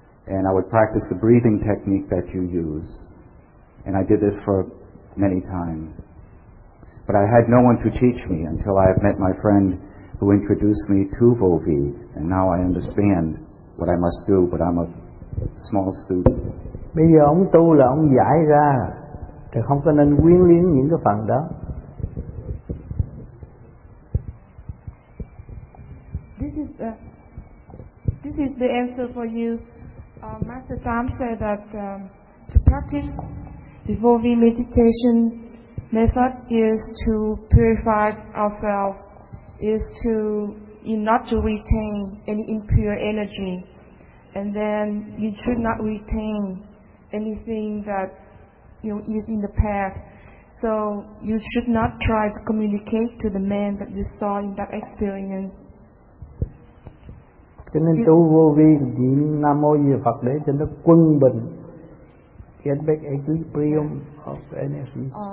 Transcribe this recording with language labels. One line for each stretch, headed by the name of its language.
English: And I would practice the breathing technique that you use, and I did this for many times. But I had no one to teach me until I have met my friend who introduced me to Vô Vi, and now I understand what I must do, but I'm a small student.
Vietnamese: Bây giờ ông tu là ông giải ra, thì không có nên quyến luyến những cái phần đó.
English: This is the answer for you. Master Tham said that to practice the Vô Vi meditation method is to purify ourselves, is to not to retain any impure energy, and then you should not retain anything that is in the past. So you should not try to communicate to the man that you saw in that experience.
Vietnamese: Cho nên tu Vô Vi niệm Nam Mô Di Đà Phật để cho nó quân bình,
English: get back equilibrium of energy.